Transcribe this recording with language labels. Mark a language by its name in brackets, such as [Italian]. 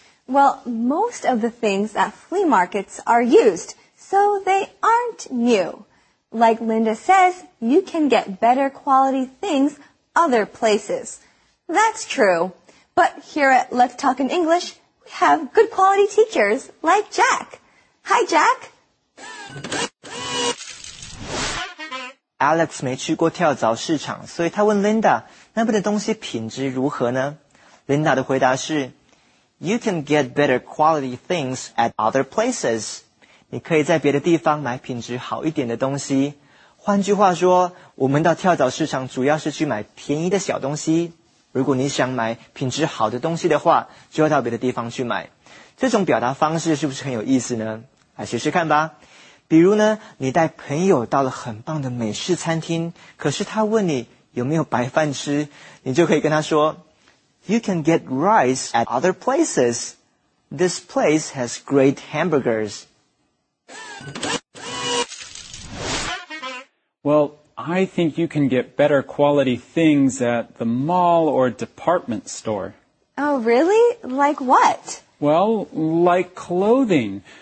[English] Well, most of the things at flea markets are used, so they aren't new. Like Linda says, you can get better quality things other places. That's true. But here at Let's Talk in English, we have good quality teachers like Jack. Hi, Jack. [Chinese] Alex 没去过跳蚤市场，所以他问 Linda 那边的东西品质如何呢？ Linda 的回答是 [English] You can get better quality things at other places. [Chinese] 你可以在别的地方买品质好一点的东西。换句话说，我们到跳蚤市场主要是去买便宜的小东西。如果你想买品质好的东西的话，就要到别的地方去买。这种表达方式是不是很有意思呢？来试试看吧。比如呢，你带朋友到了很棒的美式餐厅，可是他问你有没有白饭吃，你就可以跟他说 [English] You can get rice at other places. This place has great hamburgers. Well, I think you can get better quality things at the mall or department store. Oh, really? Like what? Well, like clothing.